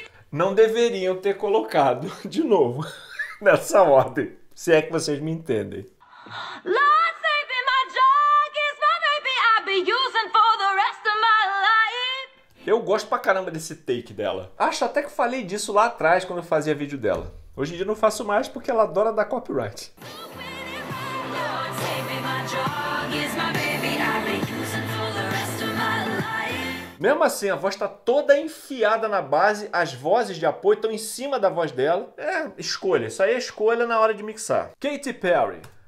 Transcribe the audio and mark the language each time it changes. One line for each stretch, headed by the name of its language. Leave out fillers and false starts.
Portuguese: Não deveriam ter colocado de novo nessa ordem, se é que vocês me entendem.
English: Lord save me, my dog is my baby, I'll be using for the rest of my life.
Portuguese: Eu gosto pra caramba desse take dela. Acho até que falei disso lá atrás quando eu fazia vídeo dela. Hoje em dia não faço mais porque ela adora dar copyright.
English: Lord save me, my dog is my baby, I'll be using for the rest of my life.
Portuguese: Mesmo assim, a voz está toda enfiada na base, as vozes de apoio estão em cima da voz dela. É, escolha. Isso aí é escolha na hora de mixar. Katy Perry.